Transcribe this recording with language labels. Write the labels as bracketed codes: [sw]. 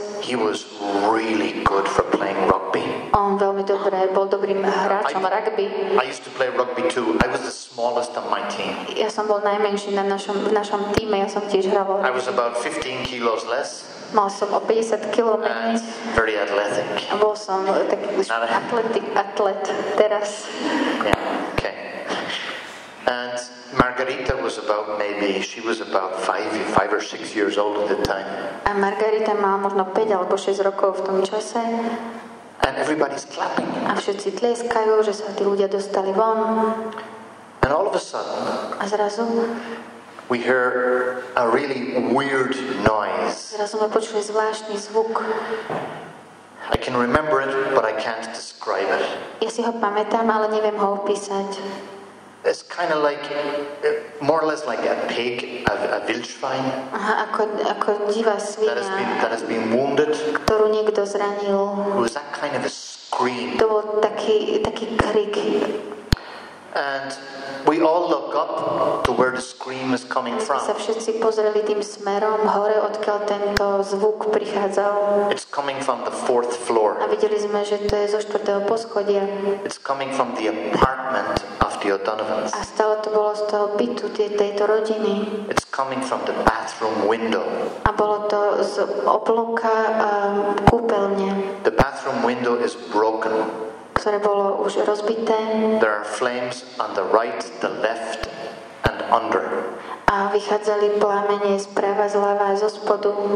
[en] He was really good for playing rugby. [sk] On veľmi dobre, bol dobrým hráčom rugby. [en] I used to play rugby too. I was the smallest on my team. [sk] Ja som bol najmenší v našom tíme, ja som tiež hraval. [en] I was about 15 kilos less. [sk] Mal som o 50 kilo menej. [en] Very athletic. [sk] Bol som taký atlet teraz. [en] Yeah, okay. And Margarita was about maybe, she was about 5 or 6 years old at the time. [sk] A Margarita mala možno 5 alebo 6 rokov v tom čase. [en] And everybody's clapping. [sk] A všetci tlieskajú, že sa tí ľudia dostali von. [en] And all of a sudden, [sk] a zrazu, [en] we hear a really weird noise. [sk] Zrazu sme počuli zvláštny zvuk. [en] I can remember it, but I can't describe it. [sk] Ja si ho pamätám, ale neviem ho opísať. [en] It's kind of like, more or less like a pig, a wildschwein. [sk] Aha, ako divá svinia. [en] That has been wounded. [sk] Ktorú niekto zranil. [en] It was that kind of a scream. [sk] To bol taký krik. [en] And we all look up to where the scream is coming from. [sk] Sa všetci pozreli tým smerom hore, odkiaľ tento zvuk prichádzal. [en] It's coming from the fourth floor. [sk] A videli sme, že to je zo štvrtého poschodia. [en] It's coming from the apartment of the O'Donovans. [sk] A stále to bolo z toho bytu tejto rodiny. [en] It's coming from the bathroom window. [sk] A bolo to z oblúka kúpeľne. [en] The bathroom window is broken. [sk] Ktoré bolo už rozbité. [en] There are flames on the right, the left and under. [sk] A vychádzali plamene z prava, z ľava, zo spodu.